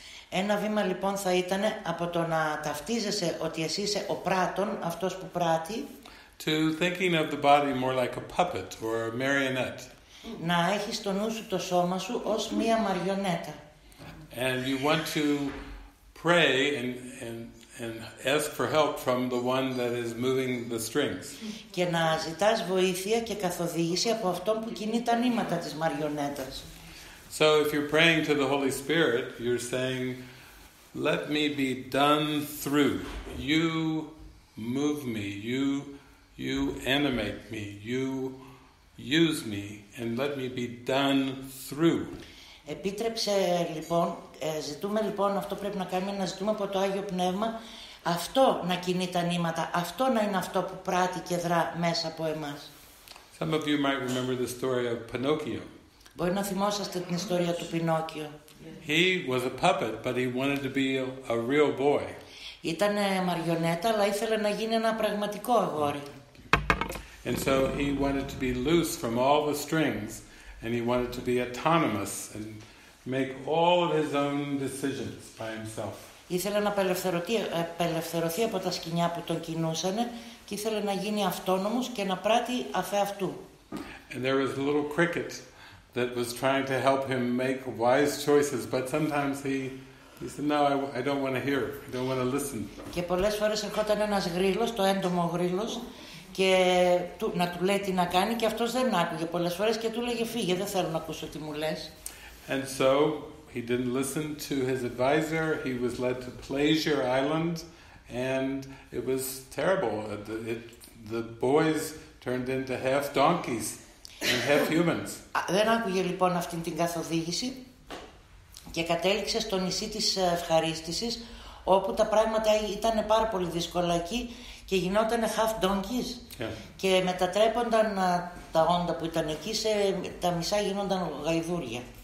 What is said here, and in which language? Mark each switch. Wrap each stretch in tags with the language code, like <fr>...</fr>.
<el>Ένα βήμα λοιπόν θα ήταν από το να ταυτίζεσαι ότι εσύ είσαι ο πράτων, αυτός που πράττει.</el> <en>To thinking of the body more like a puppet or a marionette.</en> <el>Να έχεις στο νου σου το σώμα σου ως μία μαριονέτα.</el> <en>And you want to pray and ask for help from the one that is moving the strings.</en> <el>Και να ζητάς βοήθεια και καθοδήγηση από αυτόν που κινεί τα νήματα της μαριονέτας.</el> <en>So if you're praying to the Holy Spirit, you're saying, let me be done through. You move me, you animate me, you use me, and let me be done through.</en> <el>Επίτρεψε λοιπόν, ζητούμε λοιπόν, αυτό πρέπει να κάνουμε, να ζητούμε από το Άγιο Πνεύμα, αυτό να κινεί τα νήματα, αυτό να είναι αυτό που πράττει και δρά μέσα από εμάς.</el> <en>Some of you might remember the story of Pinocchio.</en> <el>Μπορεί να θυμόσαστε την ιστορία του Πινόκιο.</el> <en>He was a puppet, but he wanted to be a real boy.</en> <el>Ήταν μαριονέτα, αλλά ήθελε να γίνει ένα πραγματικό αγόρι.</el> <en>And so he wanted to be loose from all the strings, and he wanted to be autonomous and make all of his own decisions by himself.</en> <el>Ήθελε να απελευθερωθεί από τα σκηνιά που τον κινούσαν και ήθελε να γίνει αυτόνομος και να πράττει αφέ αυτού.</el> <en>And there was a little cricket that was trying to help him make wise choices, but sometimes he said, no, I don't want to hear, I don't want to listen.</en> <el>Και πολλές φορές ερχόταν ένας γρίλος, το έντομο γρίλος, και να του λέει τι να κάνει, και αυτός δεν άκουγε πολλές φορές και του λέγε, φύγε, δεν θέλω να ακούσω τι μου λες.</el> <en>And so he didn't listen to his advisor, he was led to Pleasure Island, and it was terrible. The boys turned into half donkeys and half humans.</en> <el>Δεν άκουγε λοιπόν αυτήν την καθοδήγηση και κατέληξε στο νησί της ευχαρίστησης, όπου τα πράγματα ήταν πάρα πολύ δύσκολα εκεί και γινόταν</el> <en>half donkeys.</en> <el>Και μετατρέπονταν τα όντα που ήταν εκεί σε τα μισά γινόνταν γαϊδούρια.</el>